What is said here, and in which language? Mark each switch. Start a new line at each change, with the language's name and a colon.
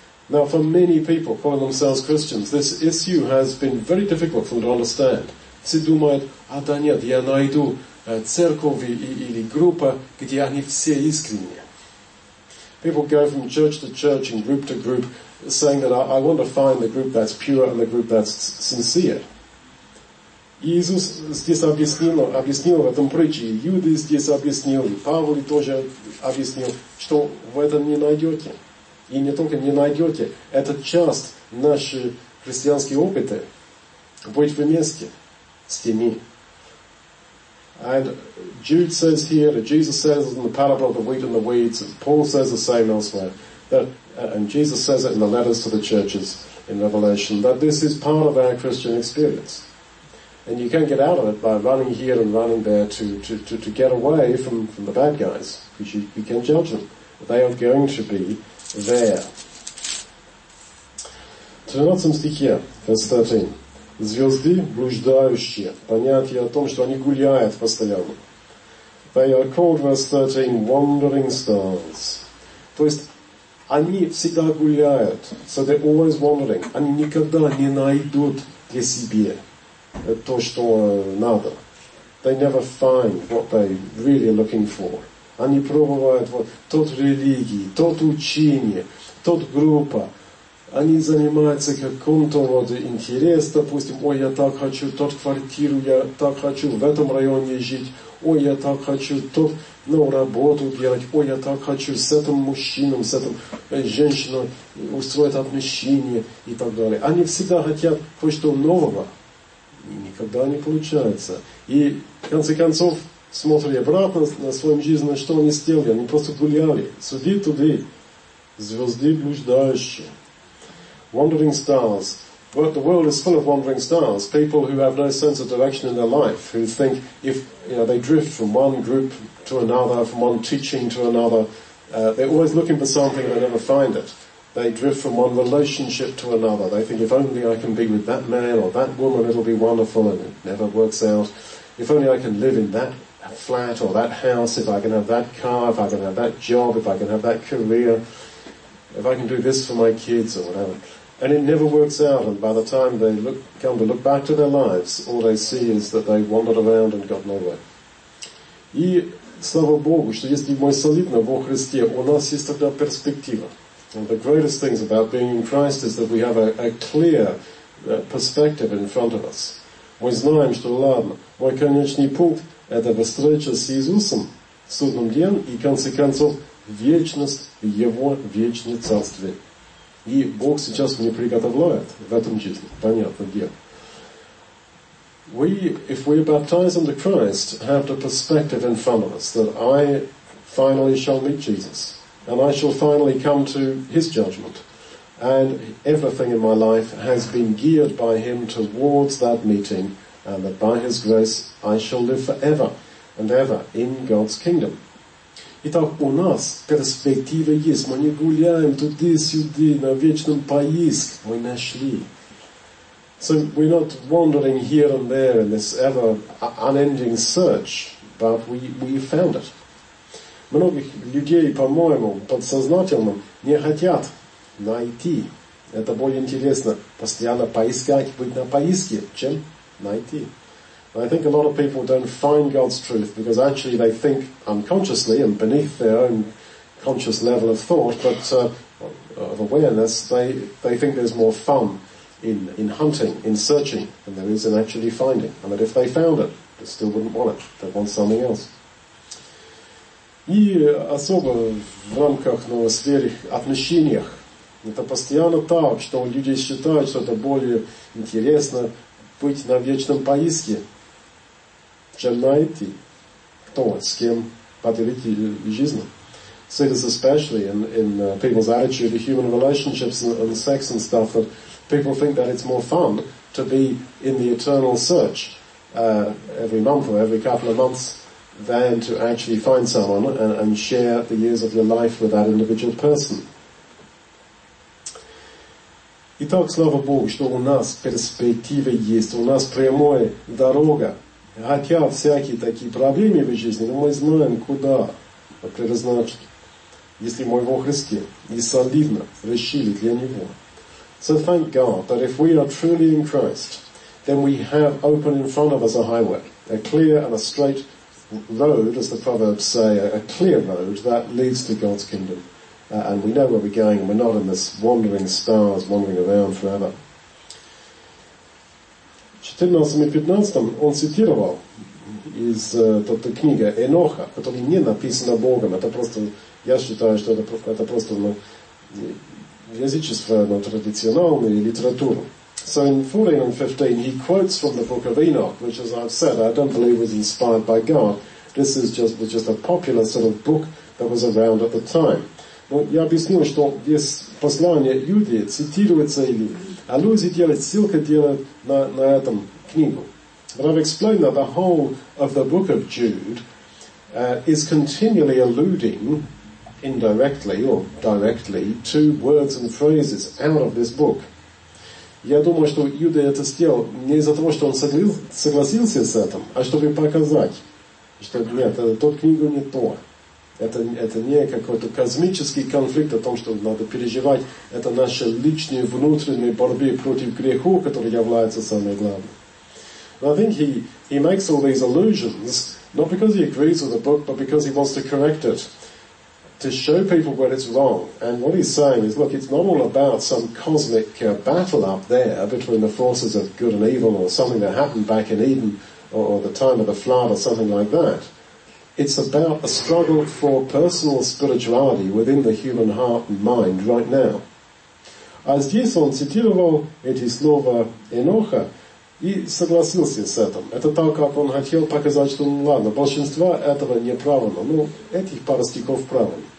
English: Now for many people calling themselves Christians, this issue has been very difficult for them to understand.
Russian: Все думают: а да нет, я найду церковь или группа, где они все искренние.
English: People go from church to church and group to group, saying that I want to find the group that's pure and the group that's sincere.
Russian: Иисус здесь объяснил в этом притче, Иуда здесь объяснил, и Павел тоже объяснил, что в этом не найдете. И не только не найдете, это часть нашей христианской опыта быть вместе с теми.
English: And Jude says here, Jesus says in the parable of the wheat and the weeds, and Paul says the same elsewhere, that, and Jesus says it in the letters to the churches in Revelation, that this is part of our Christian experience. And you can't get out of it by running here and running there to get away from the bad guys, because you can judge them. They are going to be there.
Russian: В 13 стихе,
English: verse 13.
Russian: Звезды блуждающие, понятие о том, что они гуляют постоянно.
English: They are called, verse 13, wandering stars.
Russian: То есть, они всегда гуляют.
English: So they're always wandering.
Russian: Они никогда не найдут для себя то, что надо.
English: They never find what they're really looking for.
Russian: Они пробуют вот тот религии, тот учение, тот группа. Они занимаются каком-то вот интерес, допустим, ой, я так хочу тот квартиру, я так хочу в этом районе жить, ой, я так хочу тот, работу делать, ой, я так хочу с этим мужчином, с этим женщиной устроить отношения и так далее. Они всегда хотят кое-что нового, и никогда не получается. И в конце концов, смотрели обратно на своем жизни, что они сделали, они просто гуляли, сюда-туда, звезды блуждающие.
English: Wandering stars. Well, the world is full of wandering stars. People who have no sense of direction in their life, who think if they drift from one group to another, from one teaching to another, they're always looking for something and they never find it. They drift from one relationship to another. They think, if only I can be with that man or that woman, it'll be wonderful, and it never works out. If only I can live in that flat or that house, if I can have that car, if I can have that job, if I can have that career, if I can do this for my kids or whatever. And it never works out, and by the time they come to look back to their lives, all they see is that they wandered around and got nowhere.
Russian: И слава Богу, что если мы солидны во Христе, у нас есть тогда перспектива.
English: And the greatest things about being in Christ is that we have a clear perspective in front of us.
Russian: Мы знаем, что ладно, мой конечный пункт – это встреча с Иисусом в судном день и, в конце концов, вечность в Его вечном царстве. И Бог сейчас мне приготовляет в этом жизни. Понятно, где?
English: We, if we are baptized into Christ, have the perspective in front of us that I finally shall meet Jesus and I shall finally come to His judgment. And everything in my life has been geared by Him towards that meeting, and that by His grace I shall live forever and ever in God's kingdom.
Russian: Итак, у нас перспектива есть. Мы не гуляем туда-сюда на вечном поиск. Мы нашли.
English: So we're not wandering here and there in this ever unending search, but we found it.
Russian: многих людей, по-моему, подсознательно не хотят найти. Это более интересно, постоянно поискать, быть на поиске, чем найти.
English: I think a lot of people don't find God's truth because actually they think unconsciously and beneath their own conscious level of thought, but of awareness, they think there's more fun in hunting, in searching, than there is in actually finding. And that if they found it, they still wouldn't want it. They'd want something else.
Russian: И особо в рамках новосферных отношениях это постоянно так, что люди считают, что это более интересно быть на вечном поиске, чем найти, кто, с кем поделить жизнь.
English: See this especially in people's attitude to human relationships and sex and stuff, that people think that it's more fun to be in the eternal search every month or every couple of months than to actually find someone and share the years of your life with that individual person.
Russian: Итак, слава Богу, что у нас перспектива есть, у нас прямая дорога. Хотя всякие такие проблемы в жизни, но мы знаем, куда предназначить. Если мы во Христе, и солидно решили для Него.
English: So thank God that if we are truly in Christ, then we have open in front of us a highway, a clear and a straight road, as the Proverbs say, a clear road that leads to God's kingdom. And we know where we're going, and we're not in this wandering stars, wandering around forever.
Russian: В 14:15 он цитировал из той книги Еноха, которая не написана Богом, это просто... Я считаю, что это просто язычество, но традиционная литература.
English: So in 14 and 15 he quotes from the book of Enoch, which as I've said, I don't believe was inspired by God. This is just a popular sort of book that was around at the time.
Russian: Но я объяснил, что здесь послание Иуды цитируется или аллюзия делает, ссылка делает на этом книгу.
English: But I've explained that the whole of the book of Jude is continually alluding indirectly or directly to words and phrases out of this book.
Russian: Я думаю, что Иуда это сделал не из-за того, что он согласился с этим, а чтобы показать, что нет, тот книгу не то. Это не какой-то космический конфликт о том, что надо переживать. Это наши личные внутренние борьбы против греху, который является самым главным.
English: And I think he makes all these allusions not because he agrees with the book, but because he wants to correct it. To show people where it's wrong. And what he's saying is, look, it's not all about some cosmic battle up there between the forces of good and evil or something that happened back in Eden or the time of the flood or something like that. It's about a struggle for personal spirituality within the human heart and mind right now.
Russian: А здесь он цитировал эти слова Еноха и согласился с этим. Это так, как он хотел показать, что ну ладно, большинство этого неправильно. Ну, этих пара стихов правильно.